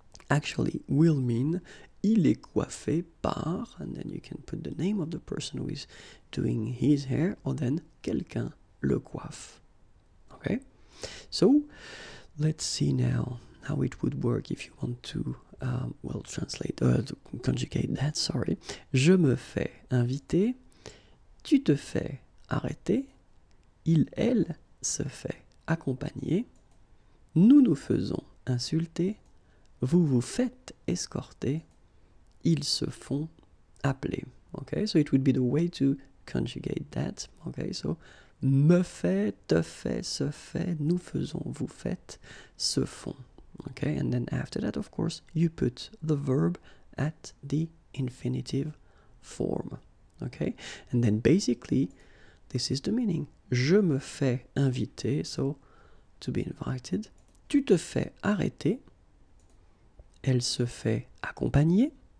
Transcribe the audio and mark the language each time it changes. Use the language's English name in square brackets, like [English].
[English] actually will mean [French] il est coiffé par, [English] and then you can put the name of the person who is doing his hair, or then [French] quelqu'un le coiffe, [English] okay, so let's see now how it would work if you want to, well, translate, to conjugate that, sorry. [French] Je me fais inviter, tu te fais arrêter, il, elle se fait accompagner, nous nous faisons insulter, vous vous faites escorter, ils se font appeler. [English] Okay, so it would be the way to conjugate that. Okay, so [French] me fait, te fait, se fait, nous faisons, vous faites, se font. [English] Okay, and then after that, of course, you put the verb at the infinitive form. Okay, and then basically, this is the meaning. [French] Je me fais inviter, [English] so to be invited. [French] Tu te fais arrêter. Elle se fait accompagner.